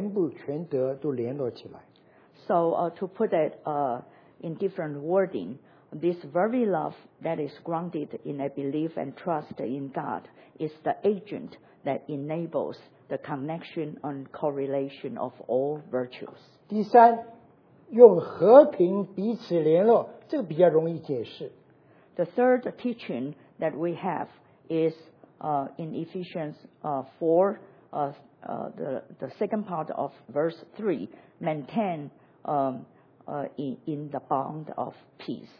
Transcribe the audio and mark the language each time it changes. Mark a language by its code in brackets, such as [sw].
[zh] 换言之，这个有根有基，信神爱心把我们全部全德都联络起来。 [en] So to put it in different wording, this very love that is grounded in a belief and trust in God is the agent that enables the connection and correlation of all virtues. [zh] 第三，用和平彼此联络，这个比较容易解释。 [en] The third teaching that we have is in Ephesians 4, the second part of verse 3, maintain in the bond of peace.